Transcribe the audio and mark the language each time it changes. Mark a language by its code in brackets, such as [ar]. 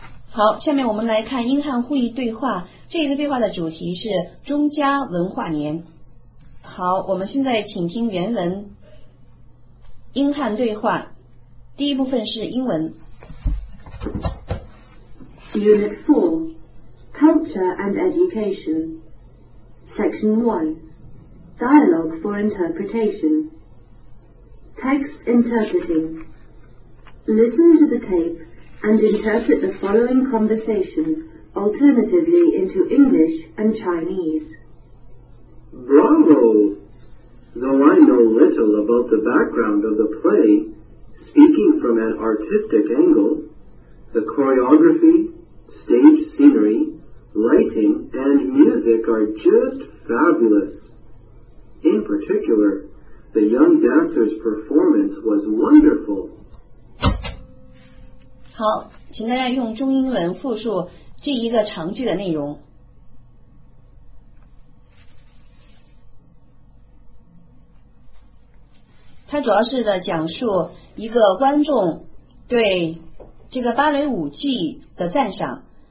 [zh] 好，下面我们来看英汉互译对话。这个对话的主题是中加文化年。好，我们现在请听原文英汉对话。第一部分是英文。 [en] Unit 4 Culture and Education Section 1 Dialogue for Interpretation Text Interpreting Listen to the tape and interpret the following conversation alternatively into English and Chinese. Bravo! Though I know little about the background of the play, speaking from an artistic angle, the choreography, stage scenery, lighting, and music are just fabulous. In particular, the young dancer's performance was wonderful. [zh] 好，请大家用中英文复述这一个长句的内容。它主要是的讲述一个观众对这个芭蕾舞剧的赞赏。